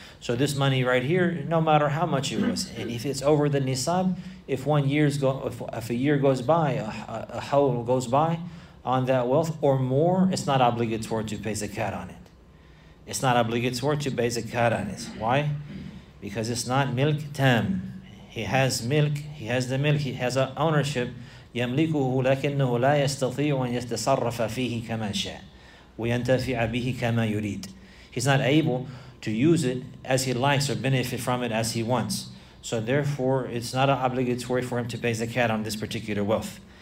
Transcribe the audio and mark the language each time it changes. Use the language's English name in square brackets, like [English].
[English] So this money right here, no matter how much it was, and if it's over the nisab, if a year goes by, a hawl goes by on that wealth or more, it's not obligatory to pay zakat on it. Why? Because it's not milk tam. He has milk. He has the milk. He has a ownership. [Arabic] يملكه لكنه لا يستطيع أن يتصرف فيه كما شاء وينتفع به كما يريد. [English] He's not able to use it as he likes or benefit from it as he wants. So therefore, it's not obligatory for him to pay zakat on this particular wealth.